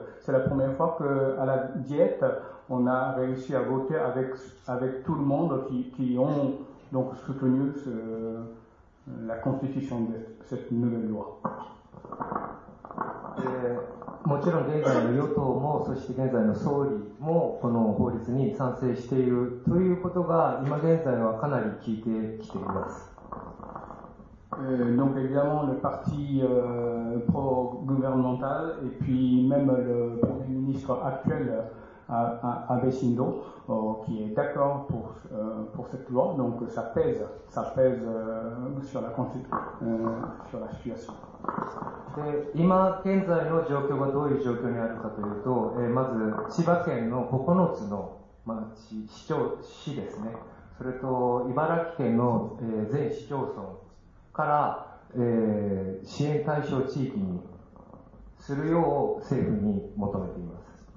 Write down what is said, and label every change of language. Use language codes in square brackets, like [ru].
[fr] C'est la première fois qu'à la Diète, on a réussi à voter avec tout le monde qui ont donc soutenu la constitution de cette nouvelle loi. [ja] もちろん現在の与党もそして現在の総理もこの法律に賛成しているということが今現在はかなり聞いてきています。 [fr] Donc évidemment le parti pro-gouvernemental et puis même le premier ministre actuel Abe Shinzo qui est d'accord pour cette loi, donc ça pèse sur la situation. [ja] で今現在の状況がどういう状況にあるかというと、まず千葉県の9つの市ですね、それと茨城県の、全市町村から、支援対象地域にするよう政府に求めています。